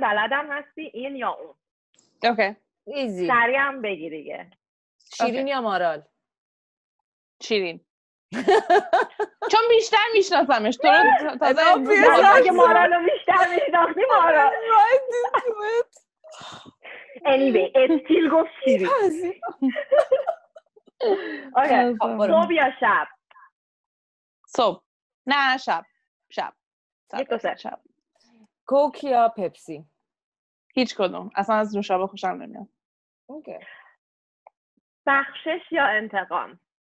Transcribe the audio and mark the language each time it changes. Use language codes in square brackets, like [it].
[fa] بلدم هستی این یا اون؟ اوکی ایزی سریع هم بگی دیگه. شیرین okay. یا مارال؟ شیرین چون بیشتر میشناسمش. تو رو تازه این بیشتر اگه مارال رو بیشتر میشناسی مارال [en] right into it. Anyway, it still goes شیرین. [fa] Okay, صبح یا شب؟ صبح. نه شب. شب. یک کوک یا پپسی؟ هیچ کدوم. اصلا از نوشابه خوشم نمیاد. اوکی. بخشش یا انتقام؟